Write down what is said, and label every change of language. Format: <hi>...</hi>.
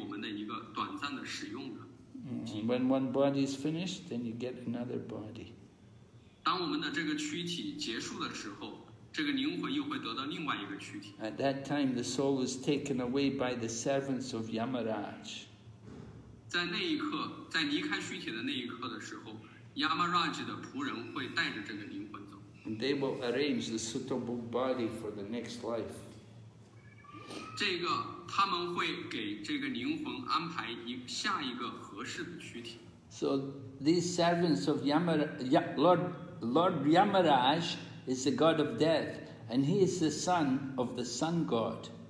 <zh>实际上，我们的这个躯体只是至尊主给予我们的一个短暂的机器。它真正的拥有者是这个至尊主，他只是给我们的一个短暂的使用的机器。</zh> <en>When one body is finished, then you get another body.</en> <zh>当我们的这个躯体结束的时候，这个灵魂又会得到另外一个躯体。</zh> <en>At that time, the soul is taken away by the servants of Yamaraj.</en> <zh>在那一刻，在离开躯体的那一刻的时候。</zh> <en>And they will arrange the suitable body for the next life. So these servants of Lord Yamaraj is the god of death, and he is the son of the sun god.</en>